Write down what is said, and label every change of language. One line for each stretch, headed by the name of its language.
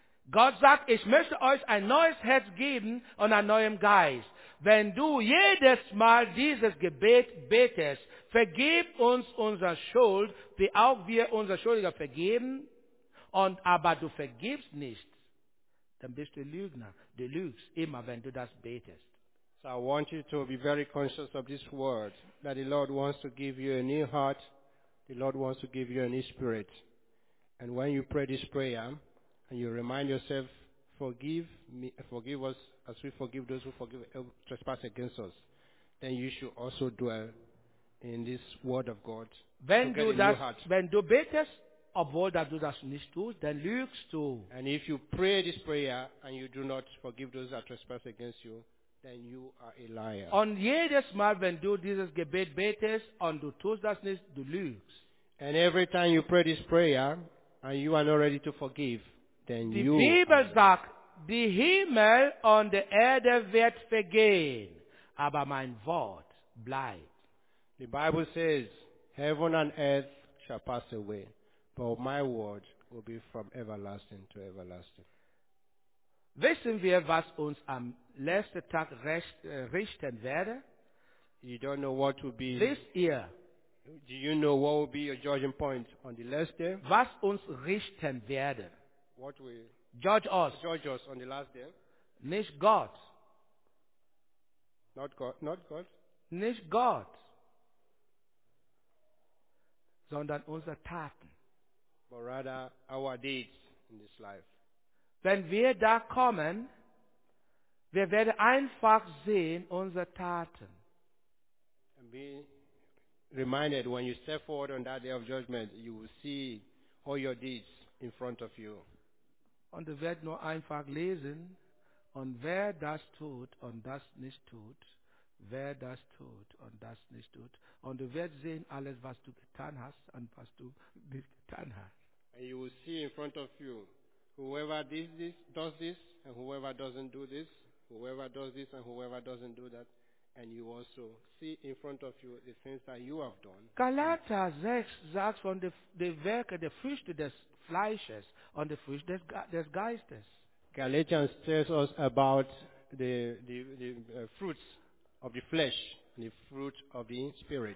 German: Gott sagt, ich möchte euch ein neues Herz geben und einen neuen Geist. Wenn du jedes Mal dieses Gebet betest, vergib uns unsere Schuld, wie auch wir unsere Schuldiger vergeben, und aber du vergibst nicht, dann bist du Lügner. Du lügst immer, wenn du das betest.
English: So I want you to be very conscious of this word, that the Lord wants to give you a new heart, the Lord wants to give you a new spirit. And when you pray this prayer, and you remind yourself, forgive me, forgive us as we forgive those who trespass against us, then you should also dwell in this word of God.
German: When do that, when do betest, obwohl du das nicht tust, dann lügst du.
English: And if you pray this prayer, and you do not forgive those that trespass against you, then you are a liar.
German: Und jedes Mal, wenn du dieses Gebet betest und du tust das nicht, du lügst.
English: And every time you pray this prayer and you are not ready to forgive, then
German: die
English: you
German: Bibel are. Die Bibel sagt, die Himmel und die Erde wird vergehen, aber mein Wort bleibt.
English: The Bible says, heaven and earth shall pass away, but my word will be from everlasting to everlasting.
German: Wissen wir, was uns am letzten Tag richten werde?
English: You don't know what will be this year. Do you know what will be your judging point on the last day?
German: Was uns richten werde?
English: What will judge us? Judge us on the last day?
German: Nicht Gott.
English: Not God. Not God.
German: Nicht Gott. Sondern unsere Taten.
English: But rather our deeds in this life.
German: Wenn wir da kommen, wir werden einfach sehen unsere Taten.
English: And be reminded when you step forward on that day of judgment, you will see all your deeds in front of you.
German: Und du wirst nur einfach lesen, und wer das tut und das nicht tut, wer das tut und das nicht tut, und du wirst sehen alles, was du getan hast und was du nicht getan hast.
English: And you will see in front of you. Whoever does this and whoever doesn't do this, whoever does this and whoever doesn't do that, and you also see in front of you the things that you have done.
German: Galater 6 sagt von de Werke, de Früchte des Fleisches und de Früchte des Geistes.
English: Galatians tells us about the fruits of the flesh and the fruits of the spirit.